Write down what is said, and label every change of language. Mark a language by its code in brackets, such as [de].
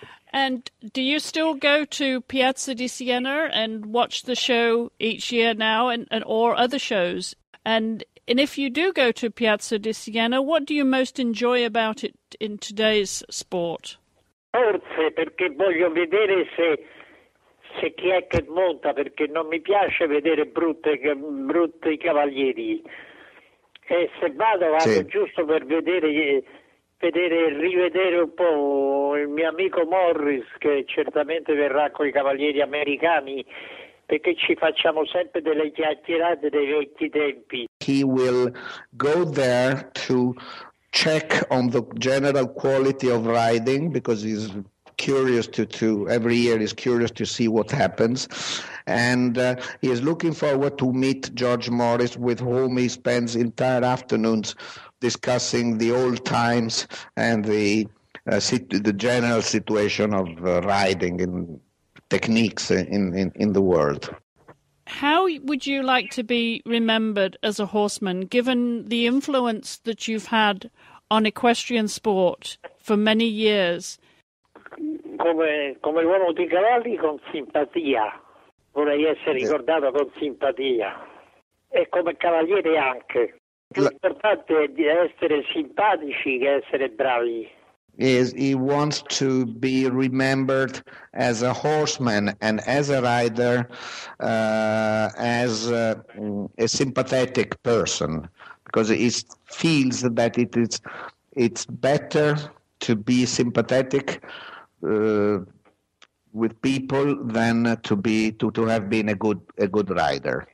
[en] And do you still go to Piazza di Siena and watch the show each year now, and or other shows? And if you do go to Piazza di Siena, what do you most enjoy about it in today's sport? [it] Forse perché voglio vedere se chi è che monta, perché non mi piace vedere brutti cavalieri. E se vado sì. Giusto per vedere e rivedere un po' il mio amico Morris, che certamente verrà con i cavalieri americani, perché ci facciamo sempre delle chiacchierate dei vecchi tempi. [en] He will go there to check on the general quality of riding, because he's curious to every year is curious to see what happens, and he is looking forward to meet George Morris, with whom he spends entire afternoons discussing the old times and the general situation of riding and techniques in the world. How would you like to be remembered as a horseman, given the influence that you've had on equestrian sport for many years? [it] Come uomo di cavalli, con simpatia. Vorrei essere ricordato con simpatia. E come cavaliere anche. L'importante è di essere simpatici che essere bravi. [en] He wants to be remembered as a horseman and as a rider, as a sympathetic person, because he feels that it's better to be sympathetic with people than to have been a good rider.